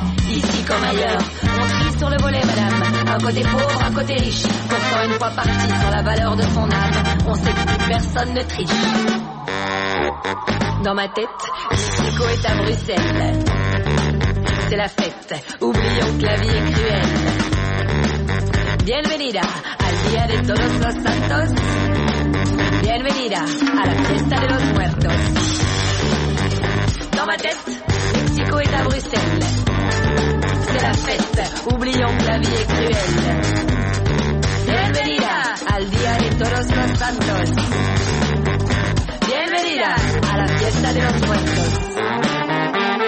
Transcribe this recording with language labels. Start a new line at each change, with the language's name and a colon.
French: Ici comme ailleurs, on trie sur le volet, madame. Un côté pauvre, un côté riche. Pourtant, une fois parti sur la valeur de son âme, on sait que plus personne ne triche. Dans ma tête, Nico est à Bruxelles. C'est la fête, oublions que la vie est cruelle.
Spanish: Bienvenida al Día de Todos los Santos. Bienvenida a la Fiesta de los Muertos.
French: Dans ma tête, Mexico est à Bruxelles. C'est la fête, oublions que la vie est cruelle.
Spanish: Bienvenida al Día de Todos los Santos. Bienvenida a la Fiesta de los Muertos.